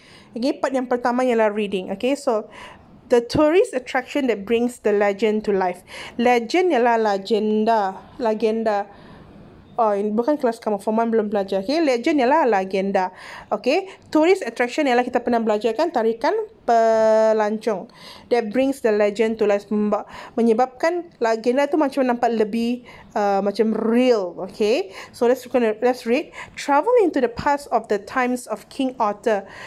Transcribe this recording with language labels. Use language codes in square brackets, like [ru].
[ms] Okay, part yang pertama ialah reading, okay? [en] So, the tourist attraction that brings the legend to life. [ms] Legend ialah legenda. Legenda. Oh, ini bukan kelas kamu. Forman belum belajar, okay? Legend ialah legenda, okay? Tourist attraction ialah kita pernah belajar kan? Tarikan pelancong. [en] That brings the legend to life. [ms] Menyebabkan legenda tu macam nampak lebih macam real, okay? [en] So, let's read. Travel into the past of the times of King Arthur.